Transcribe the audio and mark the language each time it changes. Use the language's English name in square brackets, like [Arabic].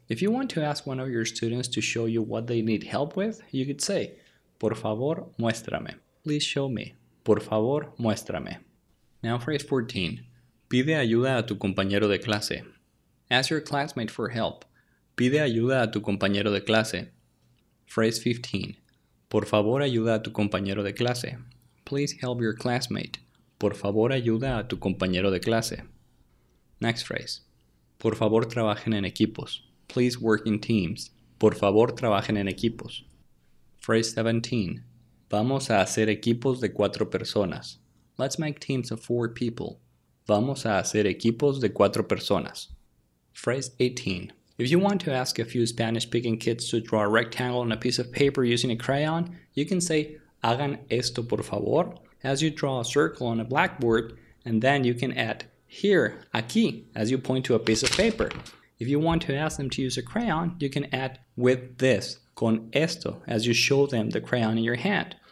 [English] If you want to ask one of your students to show you what they need help with, you could say, [Spanish] por favor, muéstrame. [English] Please show me. [Spanish] Por favor, muéstrame. [English] Now phrase 14. [Spanish] Pide ayuda a tu compañero de clase. [English] Ask your classmate for help. [Spanish] Pide ayuda a tu compañero de clase. [English] Phrase 15. [Spanish] Por favor, ayuda a tu compañero de clase. [English] Please help your classmate. [Spanish] Por favor, ayuda a tu compañero de clase. [English] Next phrase. [Spanish] Por favor, trabajen en equipos. [English] Please work in teams. [Spanish] Por favor, trabajen en equipos. [English] Phrase 17. [Spanish] Vamos a hacer equipos de 4 personas. [English] Let's make teams of 4 people. [Spanish] Vamos a hacer equipos de 4 personas. [English] Phrase 18. If you want to ask a few Spanish-speaking kids to draw a rectangle on a piece of paper using a crayon, you can say, [Spanish] hagan esto por favor, [English] as you draw a circle on a blackboard, and then you can add here, aquí, as you point to a piece of paper. If you want to ask them to use a crayon, you can add with this, [Spanish] con esto, [English] as you show them the crayon in your hand.